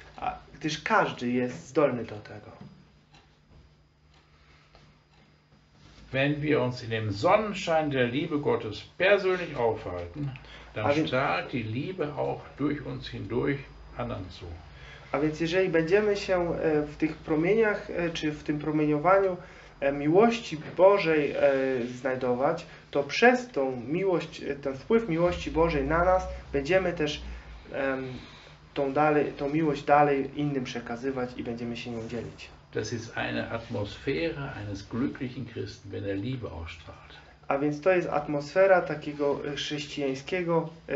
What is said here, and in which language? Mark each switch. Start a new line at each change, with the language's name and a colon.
Polish: A, gdyż każdy jest zdolny do tego.
German: Wenn wir uns in dem Sonnenschein der Liebe Gottes persönlich aufhalten, dann strahlt die Liebe auch durch uns hindurch anderen zu.
Polish: A więc jeżeli będziemy się w tych promieniach, czy w tym promieniowaniu miłości Bożej znajdować, to przez tą miłość, ten wpływ miłości Bożej na nas, będziemy też tą miłość dalej innym przekazywać i będziemy się nią dzielić.
German: Das ist eine Atmosphäre eines glücklichen Christen, wenn er Liebe ausstrahlt.
Polish: A więc to jest atmosfera takiego chrześcijańskiego.